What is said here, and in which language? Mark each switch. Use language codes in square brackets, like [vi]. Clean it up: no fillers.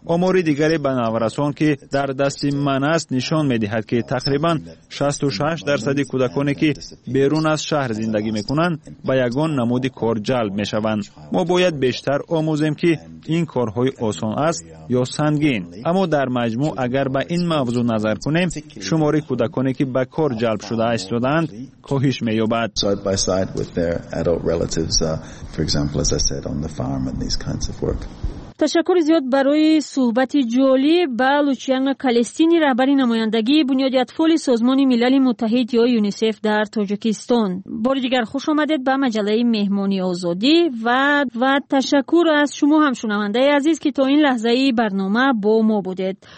[fa] آمار دیگری به نورسان که در دست من است نشان میدهد که تقریبا 66% کودکانی که بیرون از شهر زندگی میکنند به یگان نمود کار جلب میشوند. ما باید بیشتر آموزیم که این کارهای آسان است یا سنگین. اما در مجموع اگر به این موضوع نظر کنیم، شماره کودکانی که به کار جلب شده استودند کاهش مییابد. [en] Side by side with their adult relatives, for example, as I said, on the farm and these kinds of work. [fa] تشکر زیاد برای صحبت جالی با لوچیانگ کالستینی، رهبری نمایندگی بنیاد اطفال سازمان ملل متحد یا یونیسف در تاجیکستان. بار دیگر خوش آمدید به مجله مهمانی آزادی و تشکر از شما هم شنونده عزیز که تا این لحظه ای برنامه با ما بودید.